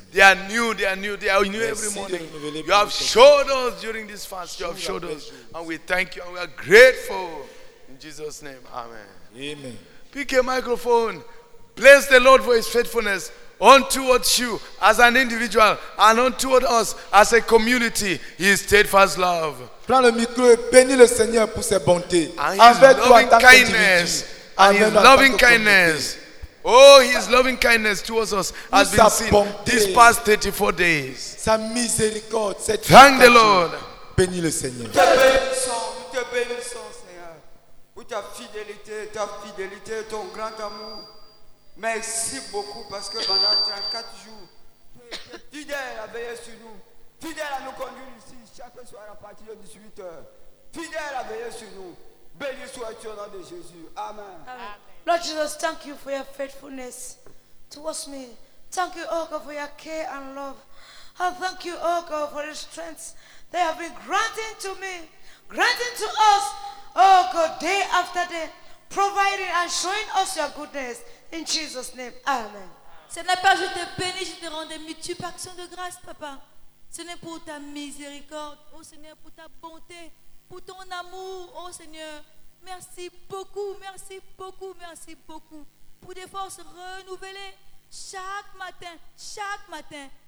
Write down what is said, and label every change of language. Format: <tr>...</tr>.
<en>They are new every morning. You have showed us during this fast, you have showed us. And we thank you and we are grateful. In Jesus' name, amen. Amen. Pick your microphone. Bless the Lord for his faithfulness. On towards you as an individual and on toward us as a community, his steadfast love.</en> <fr>Prends le micro et bénis le Seigneur pour ses bontés.</fr> <en>And his loving kindness. And his loving kindness. Oh, his loving kindness towards us has been seen these past 34 days.</en> <fr>Sa miséricorde, cette</fr> <en>bonté. Thank the Lord.</en> <fr>Bénis le Seigneur. Nous te bénissons, Seigneur. Pour ta fidélité, ton grand amour. Merci beaucoup parce que pendant 34 jours, tu es fidèle à veiller sur nous. Fidèle à nous conduire ici chaque soir à partir de 18h. Fidèle à veiller sur nous. Béni sois-tu au nom de Jésus. Amen. Amen.</fr> <en>Lord Jesus, thank you for your faithfulness towards me. Thank you, oh God, for your care and love. I thank you, oh God, for the strength they have been granting to me, granting to us, oh God, day after day, providing and showing us your goodness. In Jesus' name, amen.</en> <fr>Seigneur, Père, je te bénis, je te rends des multiples actions de grâce, Papa. Seigneur, pour ta miséricorde, oh Seigneur, pour ta bonté, pour ton amour, oh Seigneur. Merci beaucoup, merci beaucoup, merci beaucoup pour des forces renouvelées chaque matin, chaque matin.</fr>